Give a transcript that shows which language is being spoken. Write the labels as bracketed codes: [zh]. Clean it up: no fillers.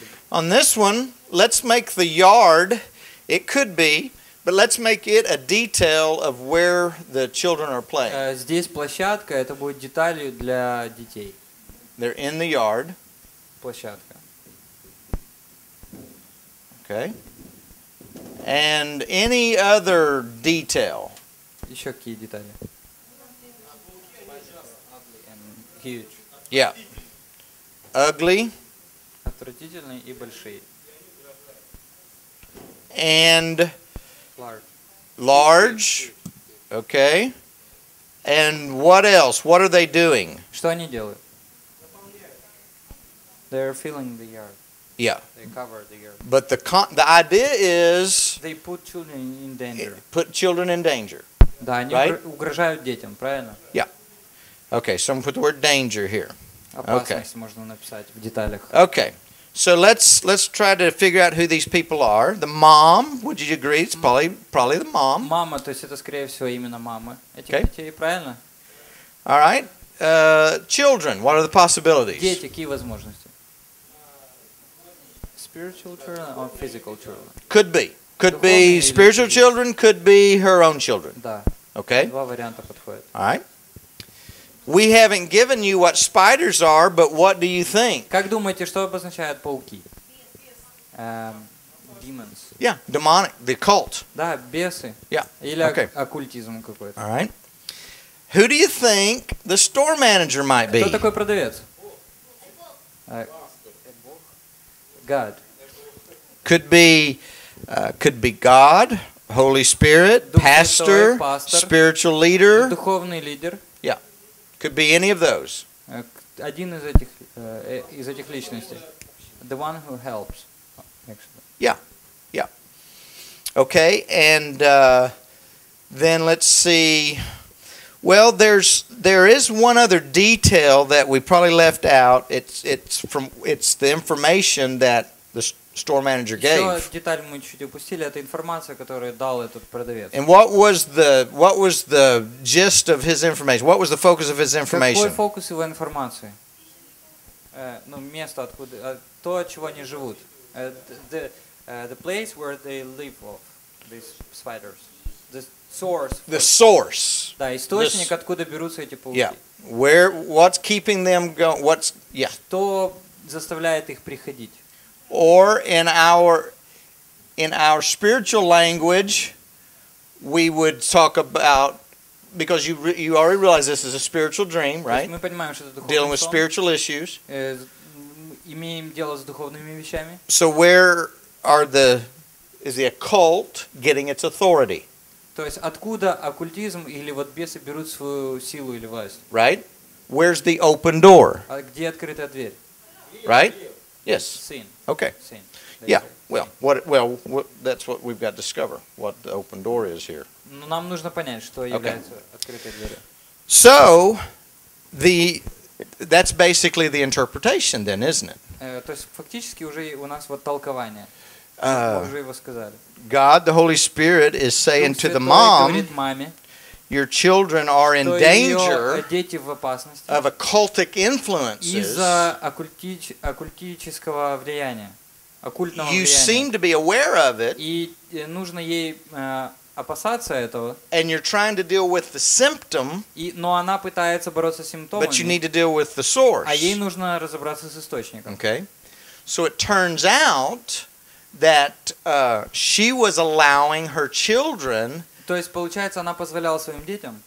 [en] On this one, let's make the yard, it could be, but let's make it a detail of where the children are playing. [ru] Здесь площадка, это будет деталью для детей. [en] They're in the yard. [ru] Площадка. [en] Okay. And any other detail? [ru] Еще какие детали? [en] Huge. Yeah. Ugly. [ru] Отвратительные и большие. [en] And large. Large. Okay. And what else? What are they doing? [ru] Что они делают? [en] They're filling the yard. Yeah. They cover the yard. But the idea is they put children in danger. Put children in danger. [ru] Да, они угрожают детям, правильно? [en] Yeah. Okay, so I'm gonna put the word danger here. [ru] Опасность можно написать в деталях. [en] Okay. So let's try to figure out who these people are. The mom, would you agree? It's probably the mom. [ru] Мама, то есть это скорее всего именно мама. Этих детей, правильно? [en] All right. Children, what are the possibilities? [ru] Дети, какие возможности? [en] Spiritual children or physical children? Could be. Could be spiritual children, could be her own children. [ru] Да. [en] Okay. [ru] Два варианта подходят. [en] All right. We haven't given you what spiders are, but what do you think? [ru] Как думаете, что обозначают пауки? [en] Demons. Yeah, demonic, the cult. [ru] Да, бесы. [en] Yeah. [ru] Или оккультизм какой-то. [en] All right. Who do you think the store manager might be? [ru] Кто такой продавец? [en] God. Could be God, Holy Spirit, pastor, spiritual leader. [ru] Духовный лидер. [en] Could be any of those. [ru] Один из этих личностей. [en] The one who helps. Yeah. Yeah. Okay. And then let's see. Well, there is one other detail that we probably left out. It's the information that the store manager gave. [ru] Еще деталь мы чуть упустили. Это информация, которую дал этот продавец. [en] And what was the gist of his information? What was the focus of his information? [ru] Какой фокус его информации? Место, откуда, то, от чего они живут. [en] The place where they live off, these spiders. The source. The source. [ru] Да, источник, откуда берутся эти пауки. [en] Yeah. Where, what's keeping them going? What's, yeah. [ru] Что заставляет их приходить? [en] Or in our spiritual language, we would talk about, because you already realize this is a spiritual dream, right? [ru] Мы понимаем, что это духовный сон. [en] Dealing with spiritual issues. [ru] Имеем дело с духовными вещами. [en] So where are the, is the occult getting its authority? [ru] То есть откуда оккультизм или вот бесы берут свою силу или власть? [en] Right? Where's the open door? [ru] Где открытая дверь? [en] Right? Yes. Sin. Okay. Sin. Yeah. Well, that's what we've got to discover, what the open door is here. [ru] Нам нужно понять, что является открытой дверью. [en] So, the That's basically the interpretation, then, isn't it? [ru] То есть фактически уже у нас вот толкование. Уже его сказали. [en] God, the Holy Spirит, is saying to the mom, your children are in danger of occultic influences. [ru] Из-за оккультического влияния, оккультного влияния. [en] You seem to be aware of it. [ru] И нужно ей опасаться этого. [en] And you're trying to deal with the symptom. [ru] Но она пытается бороться с симптомами. [en] But you need to deal with the source. [ru] А ей нужно разобраться с источником. [en] Okay. So it turns out that she was allowing her children. [ru] То есть получается, она позволяла своим детям